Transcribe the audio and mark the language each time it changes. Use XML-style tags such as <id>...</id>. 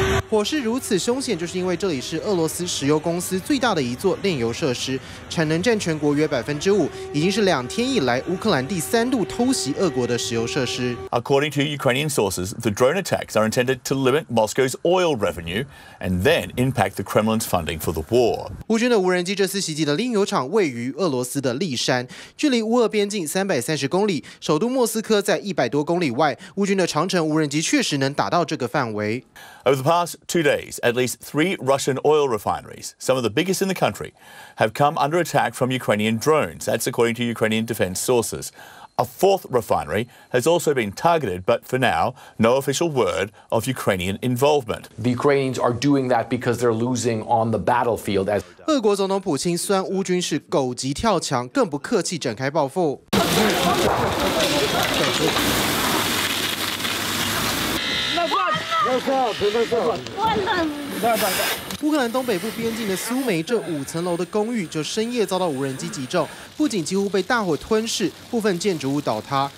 <zh>火势如此凶险，就是因为这里是俄罗斯石油公司最大的一座炼油设施，产能占全国约5%，已经是两天以来乌克兰第三度偷袭俄国的石油设施。</zh> <en>According to Ukrainian sources, the drone attacks are intended to limit Moscow's oil revenue and then impact the Kremlin's funding for the war.</en> <zh>乌军的无人机这次袭击的炼油厂位于俄罗斯的利山，距离乌俄边境330公里，首都莫斯科在100多公里外。乌军的长城无人机确实能打到这个范围。</zh> <en>Over the past two days, at least three Russian oil refineries, some of the biggest in the country, have come under attack from Ukrainian drones. That's according to Ukrainian defense sources. A fourth refinery has also been targeted, but for now, no official word of Ukrainian involvement. The Ukrainians are doing that because they're losing on the battlefield.</en> <zh>俄国总统普京酸乌军是狗急跳墙，更不客气展开报复。乌克兰东北部边境的苏梅，这5层楼的公寓就深夜遭到无人机击中，不仅几乎被大火吞噬，部分建筑物倒塌。</zh>